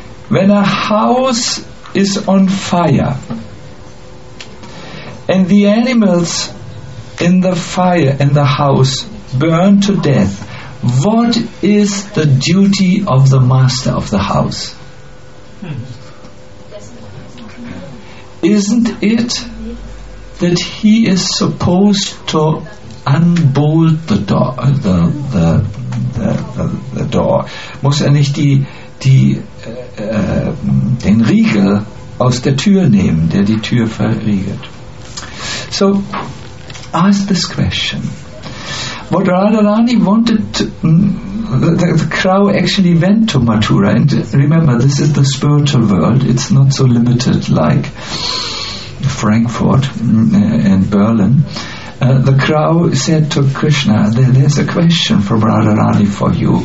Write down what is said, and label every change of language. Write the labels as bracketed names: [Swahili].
[English] When a house is on fire and the animals in the fire in the house burn to death, what is the duty of the master of the house? Isn't it that he is supposed to unbolt the door, the door? [German] Muss nicht den Riegel aus der Tür nehmen, der die Tür verriegelt? [English] So, ask this question. What Radharani wanted to, the crow actually went to Mathura, and remember, this is the spiritual world, it's not so limited like Frankfurt and Berlin. The crow said to Krishna, there's a question from Radharani for you.